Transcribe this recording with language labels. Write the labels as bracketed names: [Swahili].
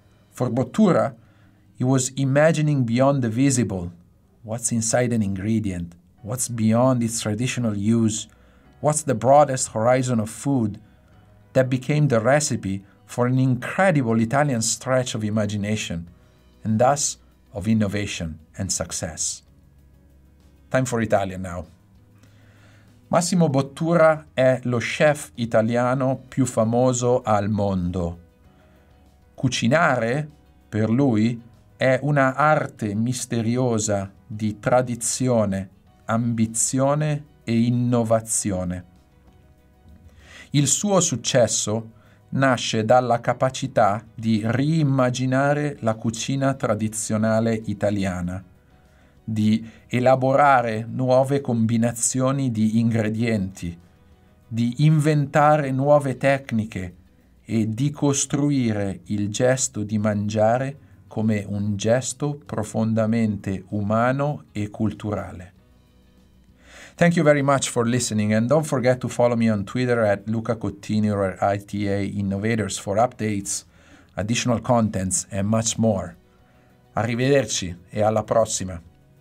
[English] For Bottura, he was imagining beyond the visible, what's inside an ingredient, what's beyond its traditional use, what's the broadest horizon of food, that became the recipe for an incredible Italian stretch of imagination, and thus of innovation and success. Time for Italian now. [Italian] Massimo Bottura è lo chef italiano più famoso al mondo. Cucinare, per lui, è una arte misteriosa di tradizione, ambizione e innovazione. Il suo successo nasce dalla capacità di riimmaginare la cucina tradizionale italiana, di elaborare nuove combinazioni di ingredienti, di inventare nuove tecniche e di costruire il gesto di mangiare come un gesto profondamente umano e culturale. [English] Thank you very much for listening, and don't forget to follow me on Twitter at Luca Cottini or ITA Innovators for updates, additional contents, and much more. [Italian] Arrivederci e alla prossima!